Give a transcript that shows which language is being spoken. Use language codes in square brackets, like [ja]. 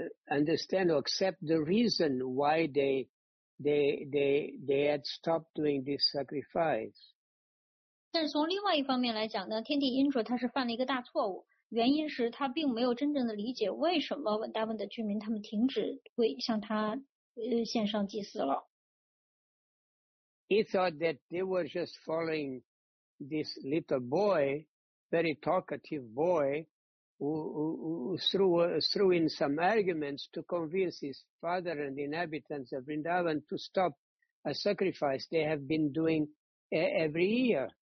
[en] understand or accept the reason why they had stopped doing this sacrifice. [zh] 但是从另外一方面来讲呢，天帝 Indra 他是犯了一个大错误，原因是他并没有真正的理解为什么文达文的居民他们停止为向他献上祭祀了。 [en] He thought that they were just following this little boy, very talkative boy, who threw in some arguments to convince his father and the inhabitants of Vrindavan to stop a sacrifice they have been doing every year.